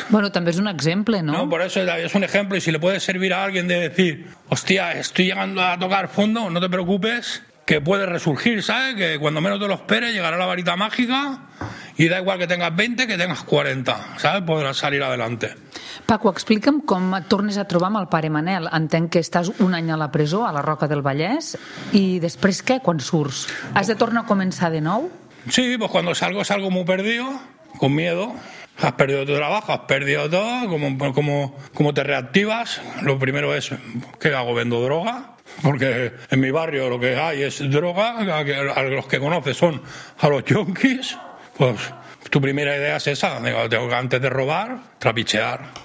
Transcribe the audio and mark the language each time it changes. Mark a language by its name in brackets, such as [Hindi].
[Spanish] Bueno, también es un ejemplo, ¿no? No, por eso es un ejemplo. Y si le puede servir a alguien de decir, hostia, estoy llegando a tocar fondo, no te preocupes, que puede resurgir, ¿sabes? Que cuando menos te lo esperes llegará la varita mágica y da igual que tengas 20, que tengas 40, ¿sabes? Podrás salir adelante. [Catalan] Paco, explica'm com et tornes a trobar amb el pare Manel. Entenc que estàs un any a la presó, a la Roca del Vallès, i després què, quan surts? Has de tornar a començar de nou? [Spanish] Sí, pues cuando salgo, salgo muy perdido, con miedo. Has perdido tu trabajo, has perdido todo, ¿cómo te reactivas? Lo primero es, ¿qué hago? ¿Vendo droga? Porque en mi barrio lo que hay es droga, a los que conoces son a los yonkis, pues tu primera idea es esa, tengo que antes de robar, trapichear.